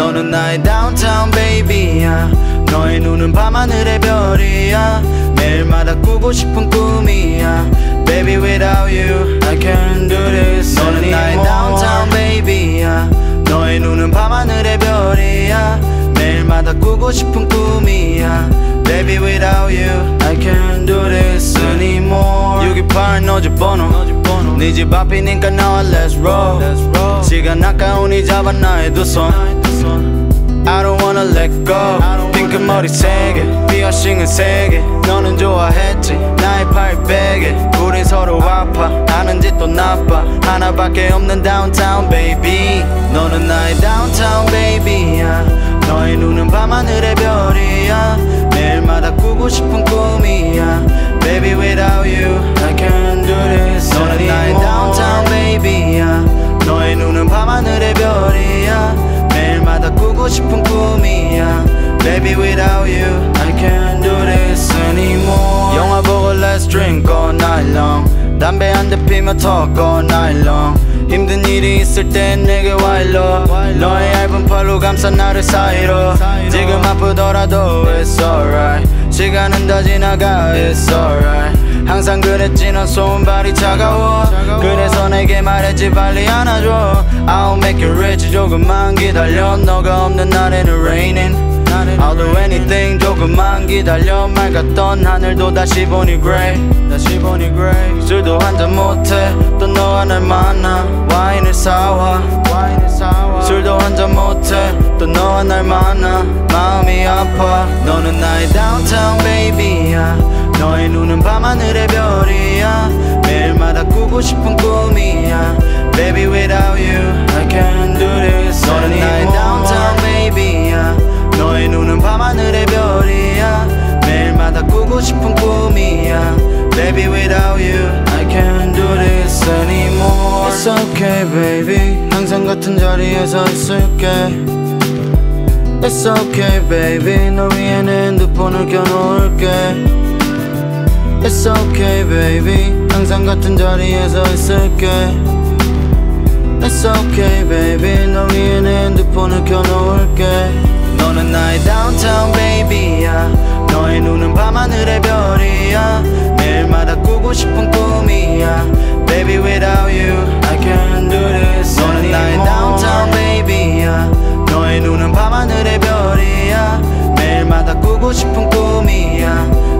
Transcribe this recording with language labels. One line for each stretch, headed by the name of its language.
Korean: 나의 downtown baby야. 너의 눈은 밤하늘의 별이야. 매일마다 꾸고 싶은 꿈이야.
English: Baby without you I can't do this.
Korean: 너는 나의 downtown baby야. 너의 눈은 밤하늘의 별이야. 매일마다 꾸고 싶은 꿈이야.
English: Baby without you I can't do this anymore.
Korean: 628 너집 번호, 네 집 앞이니까 나와
English: let's roll.
Korean: 시간 아까우니 잡아 나의 두 손.
English: I don't wanna let go.
Korean: 핑크 머리 세 개, 피어싱은 세 개. 너는 좋아했지 나의 팔 베개. 우린 서로 아파 아는 짓도 나빠. 하나밖에 없는 downtown baby. 너는 나의 downtown baby야. 너의 눈은 밤하늘의 별이야. 매일마다 꾸고 싶은 꿈이야.
English: Baby without you I can't do this.
Korean: 너는 나의 downtown baby야. 너의 눈은 밤하늘의 별이야. 매일마다 꾸고 싶은 꿈이야.
English: Baby without you I can't do this anymore.
Korean: 영화 보고
English: let's drink all night long.
Korean: 담배 한 대 피며
English: talk all night long.
Korean: 힘든 일이 있을 땐 내게 와일러. 너의 얇은 팔로 감싸 나를 사이로. 지금 아프더라도
English: it's alright.
Korean: 시간은 다 지나가
English: it's alright.
Korean: 항상 그랬지 넌 손발이 차가워. 그래서 내게 말했지 빨리 안아줘.
English: I'll make you rich
Korean: 조금만 기다려. 너가 없는 날에는 raining.
English: I'll do anything
Korean: 조금만 기다려. 맑았던 하늘도 다시 보니 grey. 다시 보니 grey. 술도 한잔 못해 또 너가 날 만나. 와인을 사와. 와인을 사와. 술도 한잔 못해 또 너가 날 만나. 마음이 아파. 너는 나의 downtown baby야. 너의 눈은 밤하늘의 별이야. 매일마다 꾸고 싶은 꿈이야.
English: Baby without you I can't do this.
Korean: 너는 나의 downtown baby야. 너의 눈은 밤하늘의 별이야. 매일마다 꾸고 싶은 꿈이야.
English: Baby without you I can't do this anymore. It's okay baby
Korean: 항상 같은 자리에서 있을게.
English: It's okay baby
Korean: 널 위해 내 핸드폰을 껴놓을게.
English: It's okay baby
Korean: 항상 같은 자리에서 있을게.
English: It's okay baby
Korean: 널 위해 내 핸드폰을 껴놓을게. 너는 나의 downtown baby야. 너의 눈은 밤하늘의 별이야. 매일마다 꾸고 싶은 꿈이야.
English: Baby without you I can't do this.
Korean: 너는 나의 downtown baby야. 너의 눈은 밤하늘의 별이야. 매일마다 꾸고 싶은 꿈이야.